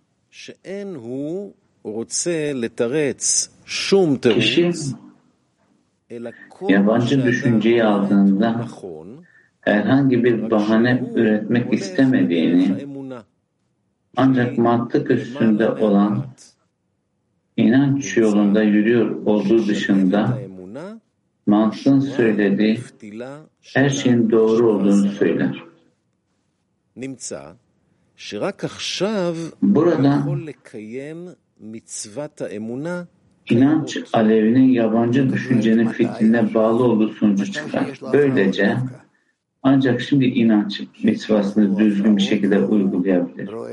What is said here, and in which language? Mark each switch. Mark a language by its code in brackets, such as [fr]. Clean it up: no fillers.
[he] שאין הוא רוצה לתרץ שום תירוץ אלא כל [tr] yabancı düşünceyi aldığında herhangi bir bahane üretmek istemediğini ancak mantık üstünde olan inanç yolunda yürüyor olduğu dışında mantığın söylediği her şeyin doğru olduğunu söyler. [he] נמצא שרק עכשיו [tr] burada, [he] יכול לקיים מצוות האמונה [tr] inanç alevinin yabancı düşüncenin fitiline bağlı olduğu sonucu çıkar. Böylece ancak şimdi inanç mitvasını düzgün bir şekilde uygulayabilir.